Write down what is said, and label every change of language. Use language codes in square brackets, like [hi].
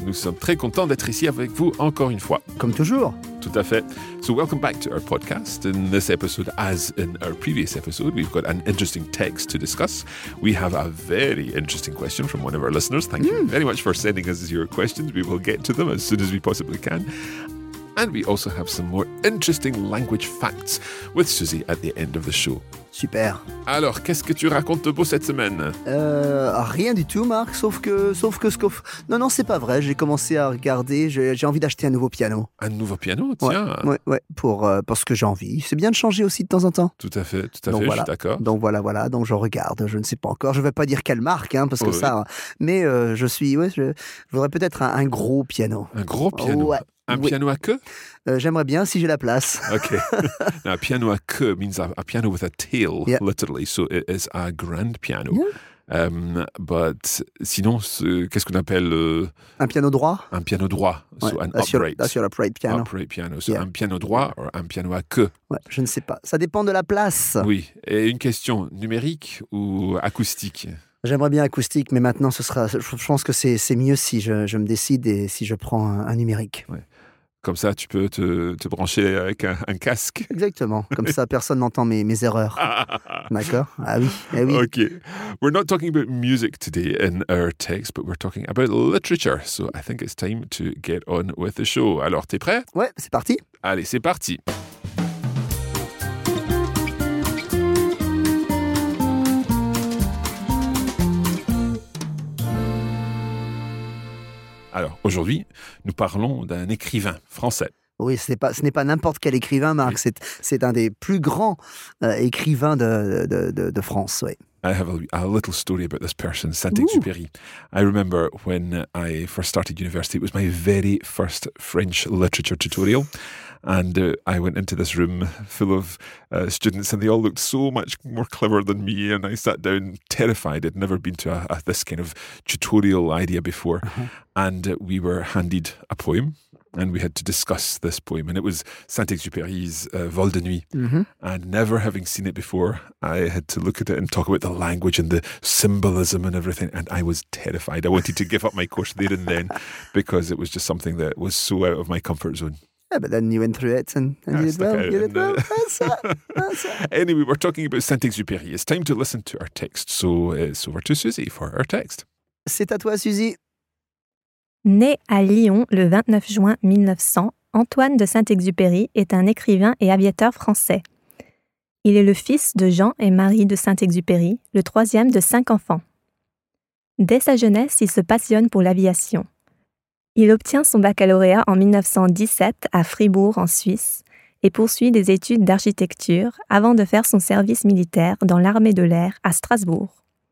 [fr] Nous sommes très contents d'être ici avec vous encore une fois. Comme toujours. Tout à fait. [en] So welcome back to our podcast. In this episode, as in our previous episode, we've got an interesting text to discuss. We have a very interesting question from one of our listeners. Thank you very much for sending us your questions. We will get to them as soon as we possibly can. And we also have some more interesting language facts with Susie at the end of the show. Super. [fr] Alors, qu'est-ce que tu racontes de beau cette semaine? Rien du tout, Marc, sauf que... Non, c'est pas vrai, j'ai commencé à regarder, j'ai envie d'acheter un nouveau piano. Un nouveau piano, tiens. Parce que j'ai envie. C'est bien de changer aussi de temps en temps. Tout à fait, voilà. Je suis d'accord. Donc je regarde, je ne sais pas encore, je ne vais pas dire quelle marque, hein, parce que ça... Mais je voudrais peut-être un gros piano. Un gros piano? Ouais. Un piano à queue? J'aimerais bien si j'ai la place. [en] OK. Now, a piano à queue means a piano with a tail, yep. Literally. So it is a grand piano. Yep. [fr] But sinon, qu'est-ce qu'on appelle... Un piano droit? Un piano droit. Ouais. [en] So an upright. That's your upright piano. Upright piano. So yep. [fr] Un piano droit or un piano à queue? Ouais, je ne sais pas. Ça dépend de la place. Oui. Et une question, numérique ou acoustique? J'aimerais bien acoustique, mais maintenant, je pense que c'est mieux si je me décide et si je prends un numérique. Ouais. Comme ça, tu peux te brancher avec un casque. Exactement. Comme ça, personne n'entend mes erreurs. D'accord? Ah oui. Eh oui. [en] Okay. We're not talking about music today in our text, but we're talking about literature. So I think it's time to get on with the show. [fr] Alors, t'es prêt? Ouais, c'est parti. Allez, c'est parti. Alors, aujourd'hui, nous parlons d'un écrivain français. Oui, ce n'est pas n'importe quel écrivain, Marc. C'est un des plus grands écrivains de France, oui. [en] I have a little story about this person, Saint-Exupéry. I remember when I first started university, it was my very first French literature tutorial. And I went into this room full of students and they all looked so much more clever than me. And I sat down terrified. I'd never been to this kind of tutorial idea before. Uh-huh. And we were handed a poem and we had to discuss this poem. And it was Saint-Exupéry's Vol de Nuit. Mm-hmm. And never having seen it before, I had to look at it and talk about the language and the symbolism and everything. And I was terrified. I wanted to give up my course there and then because it was just something that was so out of my comfort zone. Yeah, but then you went through it and you did well. That's it. Anyway, we're talking about Saint-Exupéry. It's time to listen to our text. So it's over to Susie for our text. [fr] C'est à toi, Susie. Né à Lyon le 29 juin 1900, Antoine de Saint-Exupéry est un écrivain et aviateur français. Il est le fils de Jean et Marie de Saint-Exupéry, le troisième de cinq enfants. Dès sa jeunesse, il se passionne pour l'aviation. Il obtient son baccalauréat en 1917 à Fribourg, en Suisse, et poursuit des études d'architecture avant de faire son service militaire dans l'armée de l'air à Strasbourg.